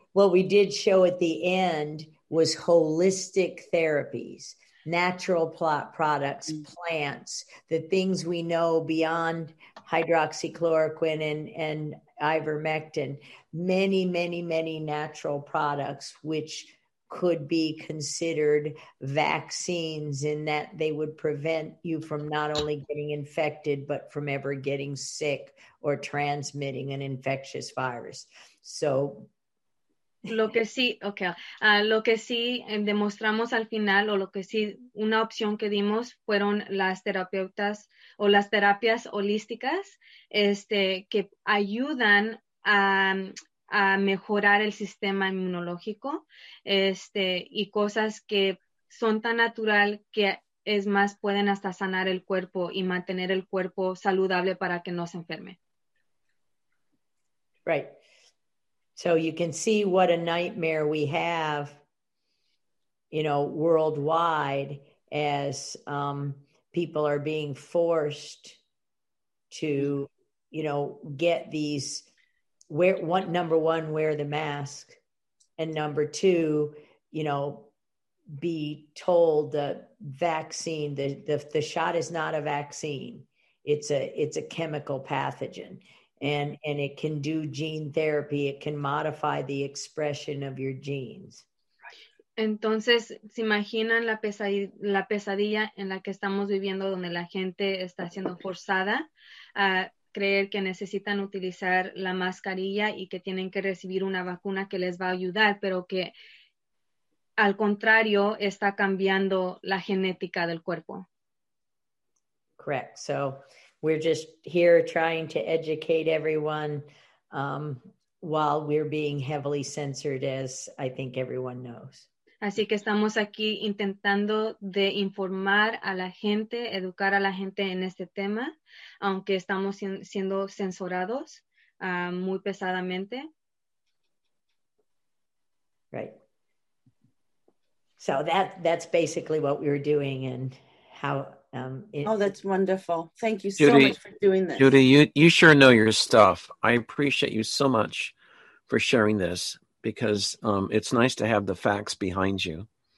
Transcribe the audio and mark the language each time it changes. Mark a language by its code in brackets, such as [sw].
[en] What we did show at the end was holistic therapies, natural products, plants, the things we know beyond hydroxychloroquine and ivermectin, many, many, many natural products which could be considered vaccines in that they would prevent you from not only getting infected, but from ever getting sick or transmitting an infectious virus. So, [es] lo que sí demostramos al final, o lo que sí, una opción que dimos fueron las terapeutas o las terapias holísticas, que ayudan a mejorar el sistema inmunológico, y cosas que son tan natural que es más, pueden hasta sanar el cuerpo y mantener el cuerpo saludable para que no se enferme. [en] Right. So you can see what a nightmare we have, you know, worldwide as people are being forced to, you know, get these, number one, wear the mask, and number two, you know, be told the vaccine, the shot is not a vaccine, it's a chemical pathogen. And it can do gene therapy. It can modify the expression of your genes. [es] Entonces, ¿se imaginan la pesadilla en la que estamos viviendo, donde la gente está siendo forzada a creer que necesitan utilizar la mascarilla y que tienen que recibir una vacuna que les va a ayudar, pero que al contrario está cambiando la genética del cuerpo? [en] Correct. So, we're just here trying to educate everyone while we're being heavily censored, as I think everyone knows. [es] Así que estamos aquí intentando de informar a la gente, educar a la gente en este tema, aunque estamos siendo censurados muy pesadamente. [en] Right. So that's basically what we were doing and how... that's wonderful. Thank you, Judy, so much for doing this. Judy, you sure know your stuff. I appreciate you so much for sharing this, because it's nice to have the facts behind you.